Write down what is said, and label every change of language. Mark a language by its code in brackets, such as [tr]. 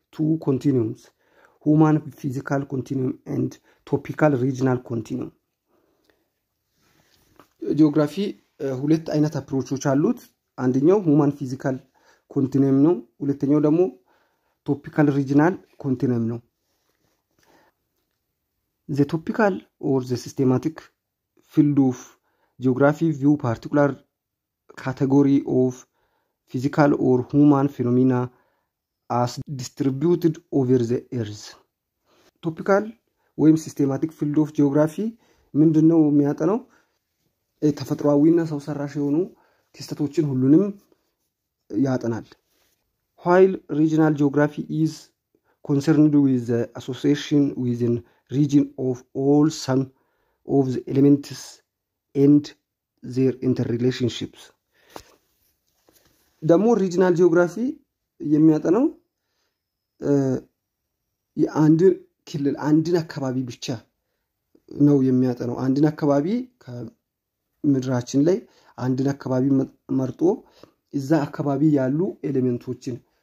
[en] two continuums, human physical continuum and topical regional continuum. [am] Geography, ሁለት አይነት አፕሮቾች አሉት። አንደኛው [en] human physical continuum [am] ነው። ሁለተኛው ደግሞ [en] topical regional continuum [am] ነው. [en] The topical or the systematic field of geography view particular category of physical or human phenomena as distributed over the earth. Topical ወይም systematic field of geography [am] ምንድነው የሚያጠነው? ተፈጥሯዊና ሰው ሰራሽ የሆኑ ክስተቶችን ሁሉንም ያጠናል። [en] While regional geography is concerned with the association within region of all some of the elements and their interrelationships. [am] ደሞ ሪጂናል ጂኦግራፊ የሚያጠነው የአንድ ክልል አንድን አካባቢ ብቻ ነው የሚያጠነው። አንድን አካባቢ ከምድራችን ላይ አንድን አካባቢ መርጦ እዛ አካባቢ ያሉ ኤሌመንቶችን